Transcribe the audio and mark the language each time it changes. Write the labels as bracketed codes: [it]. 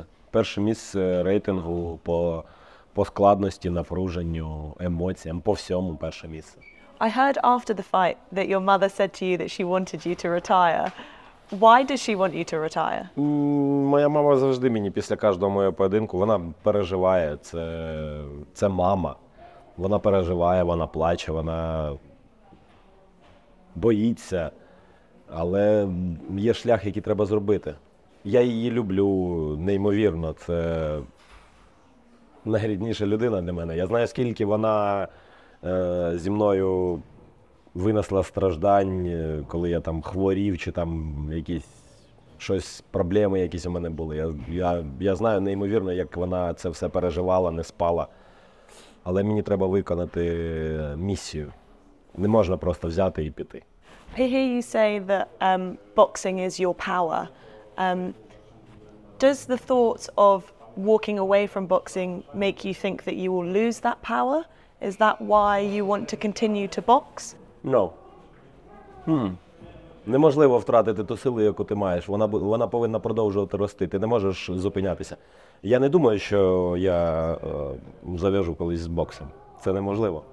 [uk] Перше місце рейтингу по складності, напруженню, емоціям, по всьому перше місце. [en] I heard after the fight that your mother said to you that she wanted you to retire. Why does she want you to retire? [uk] Моя мама завжди мені після кожного мого поєдинку, вона переживає, це мама. Вона переживає, вона плаче, вона боїться. Але є шлях, який треба зробити. Я її люблю неймовірно. Це найрідніша людина для мене. Я знаю, скільки вона зі мною винесла страждань, коли я там хворів, чи там якісь щось, проблеми якісь у мене були. Я знаю неймовірно, як вона це все переживала, не спала. Але мені треба виконати місію. Не можна просто взяти і піти. [en] I hear you say that boxing is your power. Does the thought of walking away from boxing make you think that you will lose that power? Is that why you want to continue to box? No. [uk] Неможливо втратити ту силу, яку ти маєш. Вона повинна продовжувати рости. Ти не можеш зупинятися. Я не думаю, що я зав'яжу колись з боксом. Це неможливо.